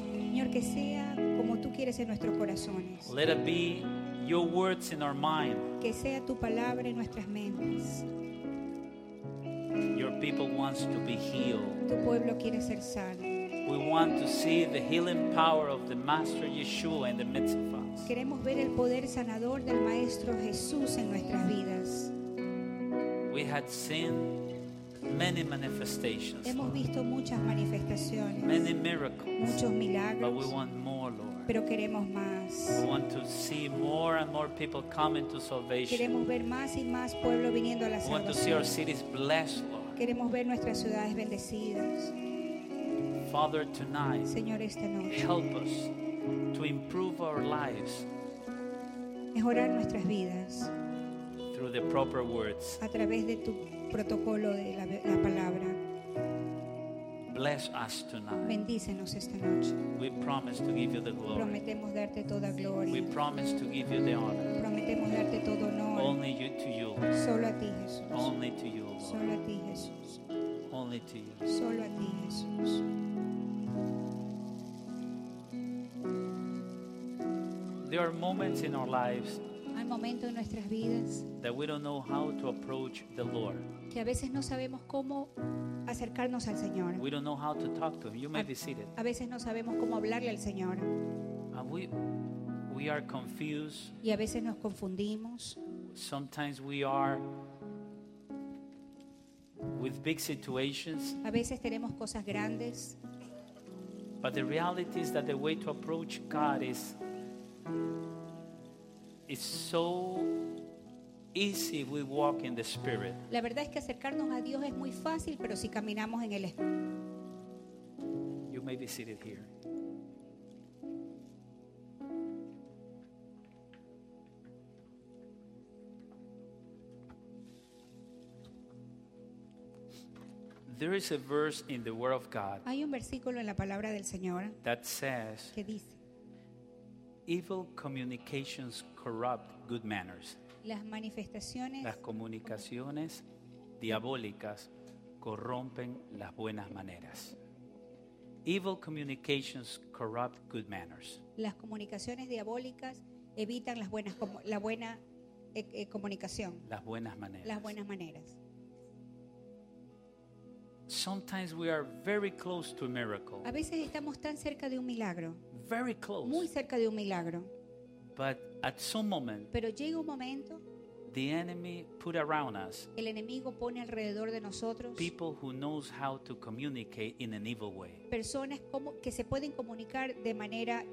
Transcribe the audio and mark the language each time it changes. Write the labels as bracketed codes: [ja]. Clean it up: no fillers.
[es] Señor, que sea como tú quieres en nuestros corazones. [en] Let it be your words in our mind. [es] Que sea tu palabra en nuestras mentes. [en] Your people wants to be healed. [es] Tu pueblo quiere ser sano. [en] We want to see the healing power of the Master Yeshua in the midst of us. [es] Queremos ver el poder sanador del Maestro Jesús en nuestras vidas. [en] We had seen many manifestations. [es] Hemos visto muchas manifestaciones. [en] Many miracles. [es] Muchos milagros. [en] But we want more, Lord. [es] Pero queremos más. [en] We want to see more and more people coming to salvation. [es] Queremos ver más y más pueblo viniendo a la salvación. [en] We want to see our cities blessed, Lord. [es] Queremos ver nuestras ciudades bendecidas. [en] Father, tonight, [es] Señor, esta noche, [en] help us to improve our lives. [es] Mejorar nuestras vidas. [en] Through the proper words. [es] A través de tu protocolo de la palabra. [en] Bless us tonight. [es] Bendícenos esta noche. [en] We promise to give you the glory. [es] Prometemos darte toda gloria. [en] We promise to give you the honor. [es] Prometemos darte todo honor. [en] Only you, to you. [es] Solo a ti, Jesús. [en] Only to you, Lord. [es] Solo a ti, Jesús. [en] Only to you. [es] Solo a ti, Jesús. [en] There are moments in our lives. [es] Hay momentos en nuestras vidas. [en] That we don't know how to approach the Lord. [es] Que a veces no sabemos cómo acercarnos al Señor. [en] We don't know how to talk to Him. You may be seated. [es] A veces no sabemos cómo hablarle al Señor. [en] And we are confused. [es] Y a veces nos confundimos. [en] Sometimes we are with big situations. [es] A veces tenemos cosas grandes. [en] But the reality is that the way to approach God is so easy if we walk in the Spirit. [es] La verdad es que acercarnos a Dios es muy fácil, pero si caminamos en el Espíritu. [en] You may be seated here. There is a verse in the Word of God. [es] Hay un versículo en la palabra del Señor. [en] That says. [es] Que dice. [en] Evil communications corrupt good manners. [es] Las manifestaciones. Las comunicaciones diabólicas corrompen las buenas maneras. [en] Evil communications corrupt good manners. [es] Las comunicaciones diabólicas evitan las buenas comunicación. Las buenas maneras. Las buenas maneras. [en] Sometimes we are very close to a miracle. [es] A veces estamos tan cerca de un milagro. [en] Very close. [es] Muy cerca de un milagro. [en] But at some moment. [es] Pero llega un momento. [en] The enemy put around us. [es] El enemigo pone alrededor de nosotros. [en] People who knows how to communicate in an evil way. [es] Personas como que se pueden comunicar de manera